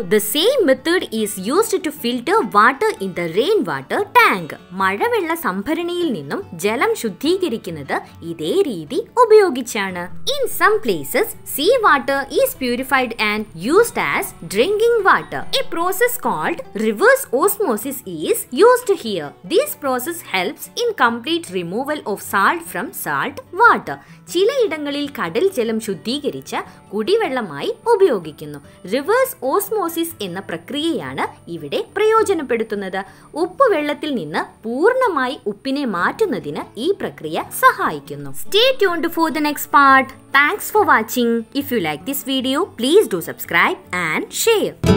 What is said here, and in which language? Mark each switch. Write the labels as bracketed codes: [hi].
[en] The same method is used to filter water in the rain water tank. [ml] മഴവെള്ള സംഭരണിയിൽ നിന്നും ജലം ശുദ്ധീകരിക്കുന്നത് ഇതേ രീതി ഉപയോഗിച്ചാണ്. [en] In some places sea water is purified and used as drinking water. A process called reverse osmosis is used here. This process helps in complete removal of salt from salt water. [ml] ചില ഇടങ്ങളിൽ കടൽ ജലം ശുദ്ധീകരിച്ച് കുടിവെള്ളമായി ഉപയോഗിക്കുന്നു. Reverse osmosis എന്ന പ്രക്രിയയാണ് ഇവിടെ പ്രയോജനപ്പെടുത്തുന്നത്. ഉപ്പുവെള്ളത്തിൽ നിന്ന് പൂർണ്ണമായി ഉപ്പിനെ മാറ്റുന്നതിന് ഈ പ്രക്രിയ സഹായിക്കുന്നു. [en] Stay tuned for the next part. Thanks for watching. If you like this video, please do subscribe and share.